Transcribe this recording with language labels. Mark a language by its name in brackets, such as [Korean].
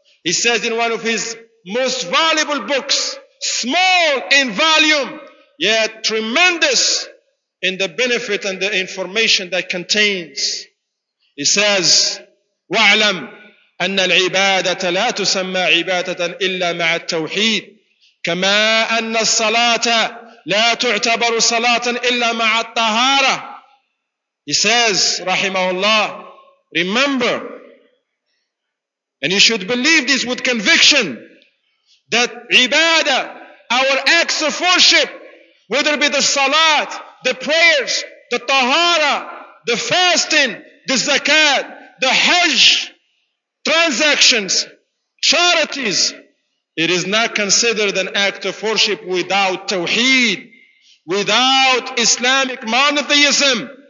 [English] He says in one of his most valuable books, small in volume, yet tremendous in the benefit and the information that contains. He says, [Arabic] وَعْلَمْ أَنَّ الْعِبَادَةَ لَا تُسَمَّى عِبَادَةً إِلَّا مَعَ التَّوْحِيدِ كَمَا أَنَّ الصَّلَاةَ لا تعتبر صلاة إلا مع الطهارة. [English] He says, رحمه الله, remember, and you should believe this with conviction, that ibadah, our acts of worship, whether it be the salat, the prayers, the tahara, the fasting, the zakat, the hajj, transactions, charities, it is not considered an act of worship without tawheed, without Islamic monotheism.